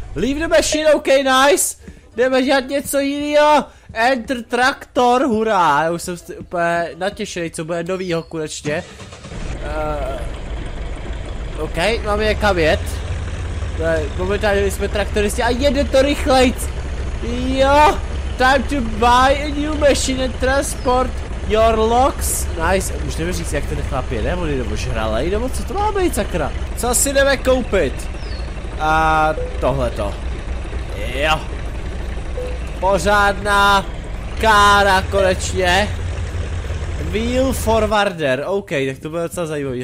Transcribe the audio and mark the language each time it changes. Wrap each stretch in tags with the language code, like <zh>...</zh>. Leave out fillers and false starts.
<en>Leave the machine, okay, nice.</en> <cs>Jdeme dělat něco jiného. Enter traktor, hurá, já už jsem úplně natěšený, co bude novýho konečně. OK, máme někam jet. Momentálně jsme traktoristi a jede to rychlejc.</cs> <en>Jo, time to buy a new machine and transport your locks. Nice,</en> <cs>už nevím říct, jak ten chlap jede, on jde ožralej, nebo co to má být sakra. Co si jdeme koupit? A tohleto. Jo. Pořádná kára konečně. Wheel forwarder, OK, tak to bude docela zajímavý.</cs>